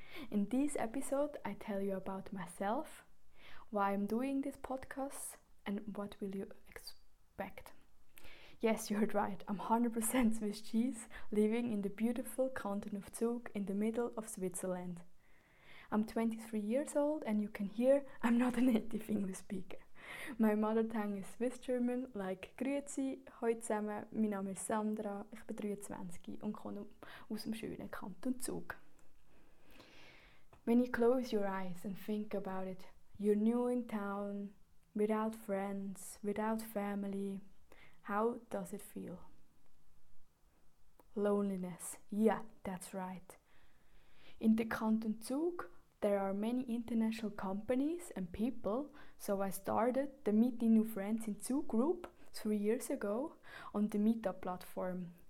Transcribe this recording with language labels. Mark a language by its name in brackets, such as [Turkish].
[English] In this episode, I tell you about myself, why I'm doing this podcast, and what will you expect. Yes, you heard right, I'm 100% Swiss cheese living in the beautiful canton of Zug in the middle of Switzerland. I'm 23 years old and you can hear I'm not a native English speaker. My mother tongue is Swiss German, like [German] Grüezi, hoi zusammen, mein Name ist Sandra, ich bin 23 und komme aus dem schönen Kanton Zug. [English] When you close your eyes and think about it, you're new in town, without friends, without family, how does it feel? Loneliness, yeah, that's right. In the Kanton Zug, there are many international companies and people, so I started the Meeting New Friends in Zug group 3 years ago on the Meetup platform.